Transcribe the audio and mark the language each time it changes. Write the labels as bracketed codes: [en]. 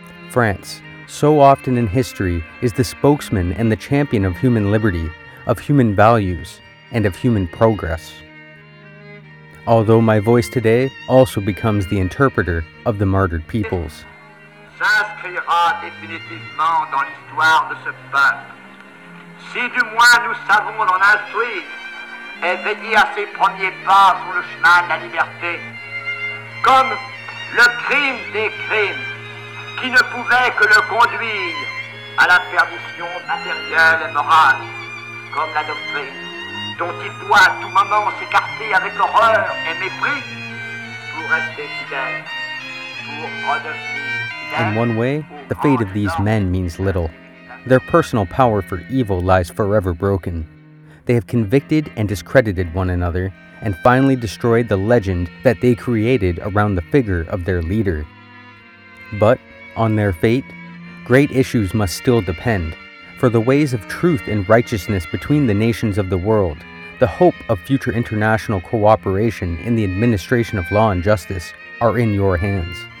[en] France, so often in history, is the spokesman and the champion of human liberty, of human values, and of human progress. Although my voice today also becomes the interpreter of the martyred peoples. [fr] S'inscrira définitivement dans l'histoire de ce peuple. Si du moins nous savons l'en instruire et veiller à ses premiers pas sur le chemin de la liberté, comme le crime des crimes qui ne pouvait que le conduire à la perdition matérielle et morale, comme la doctrine dont il doit à tout moment s'écarter avec horreur et mépris pour rester fidèle, pour redevenir. [en] In one way, the fate of these men means little. Their personal power for evil lies forever broken. They have convicted and discredited one another, and finally destroyed the legend that they created around the figure of their leader. But, on their fate, great issues must still depend, for the ways of truth and righteousness between the nations of the world, the hope of future international cooperation in the administration of law and justice, are in your hands.